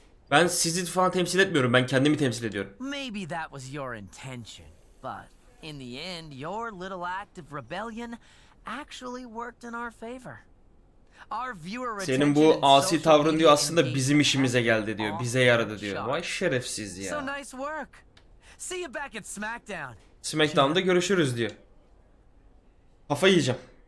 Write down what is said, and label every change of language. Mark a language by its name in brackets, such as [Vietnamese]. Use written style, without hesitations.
[Turkish] Ben sizi falan temsil etmiyorum, ben kendimi temsil ediyorum. [English] Maybe that was your intention, but in the end, your little act of rebellion actually worked in our favor. Our viewer retention. [Turkish] Senin bu asi tavrın diyor aslında bizim işimize geldi diyor, bize yaradı diyor. Vay şerefsiz ya. [English] So nice work. See you back at SmackDown. [Turkish] SmackDown'da görüşürüz diyor. Kafa yiyeceğim.